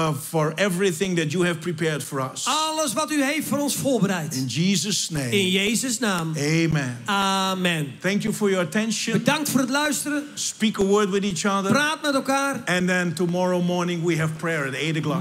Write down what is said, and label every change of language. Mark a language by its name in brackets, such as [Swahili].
[English] For everything that you have prepared for us. [Dutch] Alles wat u heeft voor ons voorbereid. [English] In Jesus' name. [Dutch] In Jezus' naam. [English] Amen. [Dutch] Amen. [English] Thank you for your attention. [Dutch] Bedankt voor het luisteren. [English] Speak a word with each other. [Dutch] Praat met elkaar. [English] And then tomorrow morning we have prayer at 8 o'clock.